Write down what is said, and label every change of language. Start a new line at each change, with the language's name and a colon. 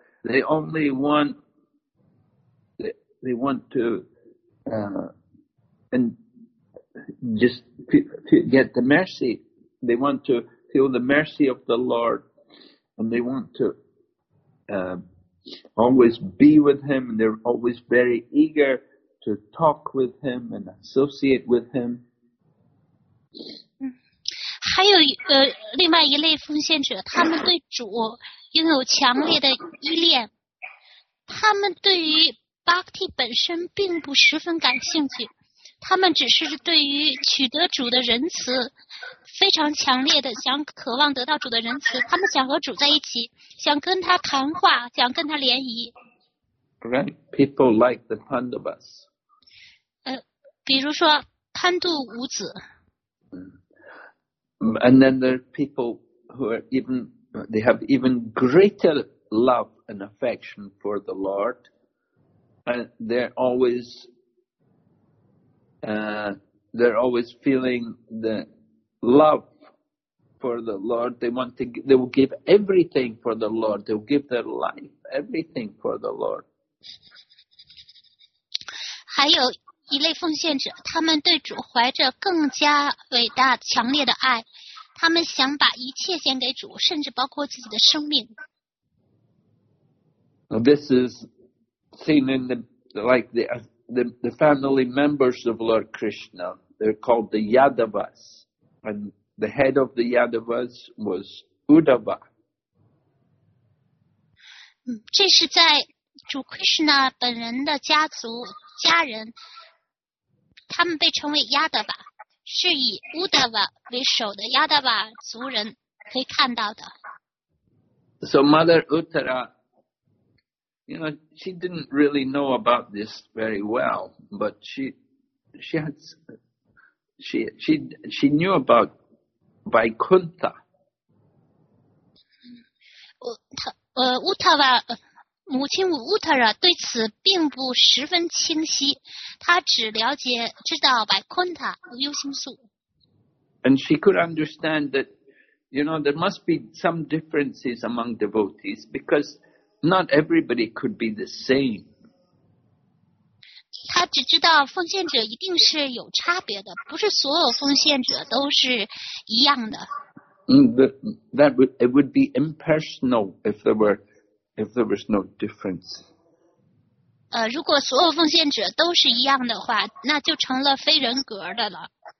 English: They only want get the mercy. They want to feel the mercy of the Lord, and they want to always be with Him, and they're always very eager to talk with Him and associate with Him.
Chinese: 还有另外一类奉献者，他们对主拥有强烈的依恋，他们对于 Bhakti 本身并不十分感兴趣，他们只是对于取得主的仁慈非常强烈的想渴望得到主的仁慈，他们想和主在一起，想跟他谈话，想跟他联谊。
English: Right, people like the Pandavas.
Chinese: 比如说潘度五子。
English: And then there are people who are they have even greater love and affection for the Lord, and they're always feeling the love for the Lord. They will give everything for the Lord. They will give their life, everything for the Lord.
Chinese: 还有一类奉献者，他们对主怀着更加伟大、强烈的爱，他们想把一切献给主，甚至包括自己的生命。
English: This is seen in the family members of Lord Krishna. They're called the Yadavas, and the head of the Yadavas was Uddhava.
Chinese: 这是在主 Krishna 本人的家族家人，他们被称为 Yadava， 是以 Uddhava 为首的 Yadava 族人可以看到的。
English: So Mother Uttara, you know, she didn't really know about this very well, but she knew about Vaikuntha.
Chinese: Uttara 母亲 Uttara 对此并不十分清晰，她只了解知道 Vaikuntha 幽心树。
English: And she could understand that, you know, there must be some differences among devotees because not everybody could be the same.
Chinese: 他只知道奉献者一定是有差别的，不是所有奉献者都是一样的。
English: It would be impersonal if there was no difference.
Chinese: 如果所有奉献者都是一样的话，那就成了非人格的了。